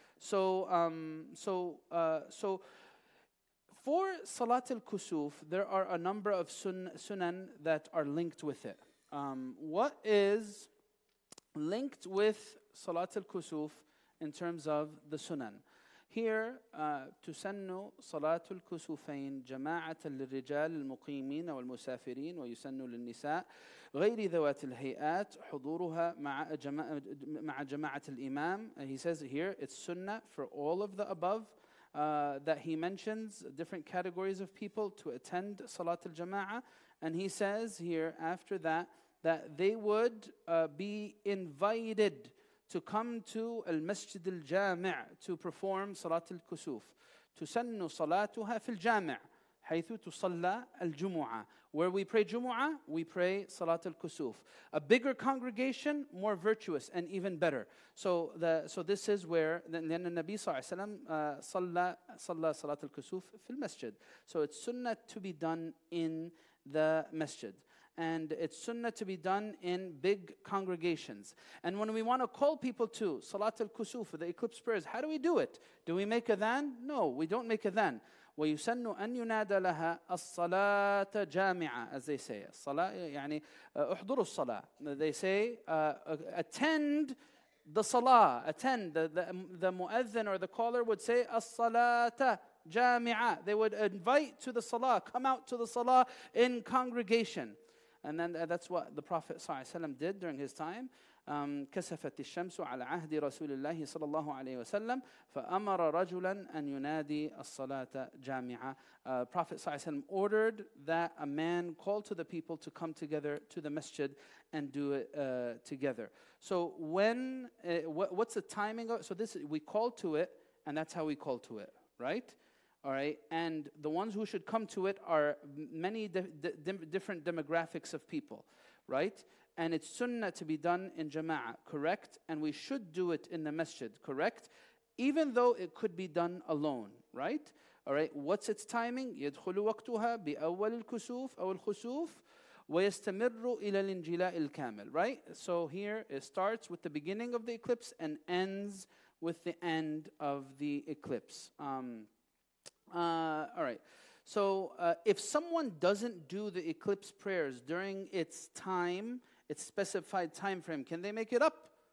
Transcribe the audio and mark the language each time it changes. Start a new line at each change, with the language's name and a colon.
English: So for Salat al-Kusuf, there are a number of sunan that are linked with it. What is linked with Salat al-Kusuf in terms of the sunan? Here,
Arabic: تسن صلاة الكسوفين جماعة للرجال المقيمين والمسافرين ويسن للنساء غير ذوات الهيئات حضورها مع جماعة الإمام.
English: He says here, it's sunnah for all of the above that he mentions different categories of people to attend صلاة الجماعة. And he says here after that, that they would be invited to come to al-Masjid al-Jami' to perform Salat al-Kusuf.
Arabic: تسن صلاتها في الجامع حيث تصلى الجمعة.
English: Where we pray Jumu'ah, we pray Salat al-Kusuf. A bigger congregation, more virtuous and even better. So this is where,
Arabic: لأن النبي صلى الله عليه وسلم صلى صلاة الكسوف في المسجد.
English: So it's sunnah to be done in the masjid. And it's sunnah to be done in big congregations. And when we want to call people to Salat al-Kusuf, the eclipse prayers, how do we do it? Do we make adhan? No, we don't make adhan.
Arabic: وَيُسَنُّ أَن يُنَادَ لَهَا الصَّلَاةَ جَامِعَةً
English: as they say.
Arabic: يعني أُحْضُرُ الصَّلَاةَ
English: they say, attend the salah. Attend. The muezzin or the caller would say,
Arabic: الصَّلَاةَ جَامِعَةً
English: they would invite to the salah, come out to the salah in congregation. And then that's what the Prophet ﷺ did during his time.
Arabic: كسفت الشمس على عهد رسول الله صلى الله عليه وسلم فأمر رجلا أن ينادي الصلاة جامعة.
English: Prophet ﷺ ordered that a man call to the people to come together to the masjid and do it together. So when what's the timing of, so this we call to it and that's how we call to it, right? All right, and the ones who should come to it are many different demographics of people, right? And it's sunnah to be done in jama'ah, correct? And we should do it in the masjid, correct? Even though it could be done alone, right? All right, what's its timing?
Arabic: يدخل وقتها بأول الكسوف أو الخسوف ويستمر إلى الانجلاء الكامل,
English: right? So here it starts with the beginning of the eclipse and ends with the end of the eclipse. All right. So if someone doesn't do the eclipse prayers during its time, its specified time frame, can they make it up?